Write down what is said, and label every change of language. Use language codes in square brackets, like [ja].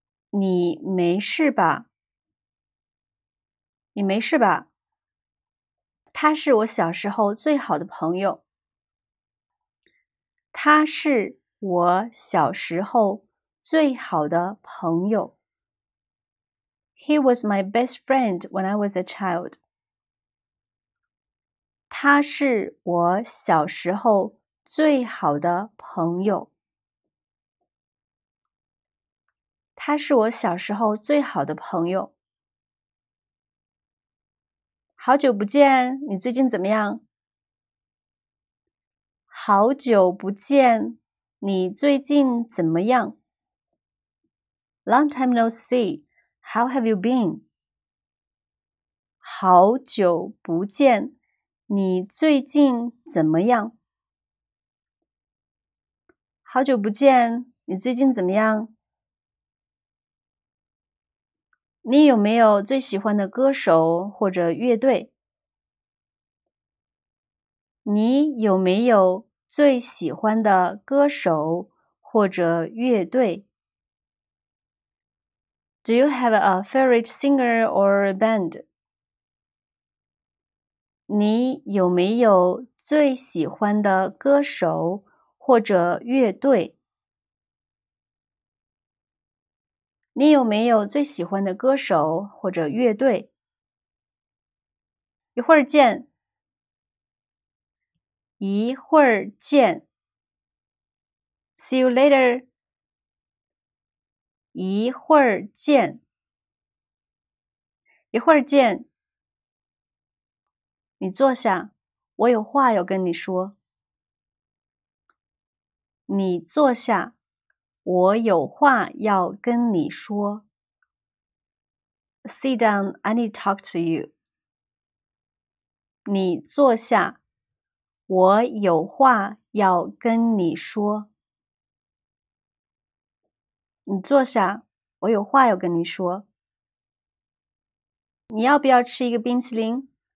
[zh] 你没事吧？你没事吧？他是我小时候最好的朋友。他是我小时候最好的朋友。 [en] He was my best friend when I was a child. [zh] 他是我小时候最好的朋友。他是我小时候最好的朋友。好久不见，你最近怎么样？好久不见，你最近怎么样 [en] ？Long time no see. How have you been? [zh] 好久不见，你最近怎么样？好久不见，你最近怎么样？你有没有最喜欢的歌手或者乐队？你有没有最喜欢的歌手或者乐队？ [en] Do you have a favorite singer or band? [zh] 你有没有最喜欢的歌手或者乐队？你有没有最喜欢的歌手或者乐队？一会儿见。一会儿见。 [en] See you later. [zh] 一会儿见。一会儿见。你坐下，我有话要跟你说。你坐下，我有话要跟你说。 [en] Sit down, I need to talk to you. [zh] 你坐下，我有话要跟你说。你坐下，我有话要跟你说。你要不要吃一个冰淇淋？